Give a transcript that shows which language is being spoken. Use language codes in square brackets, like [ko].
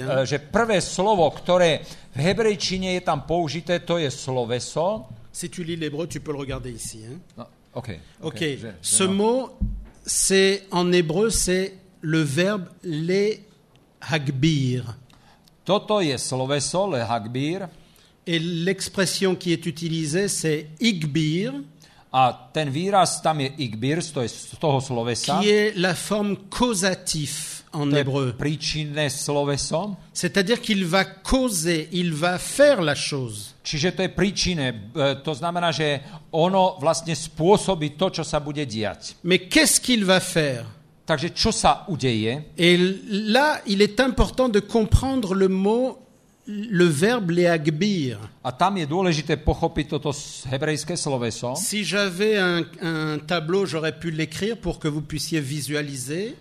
[sk] Že prvé slovo, ktoré v hebrejčine je tam použité, to je sloveso. [fr] Si tu lis l'hébreu, tu peux le regarder ici. Hein? No, okay, ok. Ok. Ce no. mot, c'est en hébreu, c'est le verbe le hagbir. [sk] Toto je sloveso le hagbír. [fr] Et l'expression qui est utilisée c'est igbír. [sk] A ten výraz tam je igbír, to je z toho slovesa. [fr] Qui est la forme causatif en hébreu. [sk] Príčinné sloveso. [fr] C'est-à-dire qu'il va causer, il va faire la chose. [sk] Čiže to je príčinné, to znamená, že ono vlastne spôsobí to, čo sa bude diať. [fr] Mais qu'est-ce qu'il va faire? [sk] Takže čo sa udeje? [fr] Et là, il est important de comprendre le mot, le verbe léagbir. [sk] A tam je dôležité pochopiť toto hebrejské sloveso. [fr] Si j'avais un tableau, j'aurais pu l'écrire pour que vous puissiez visualiser.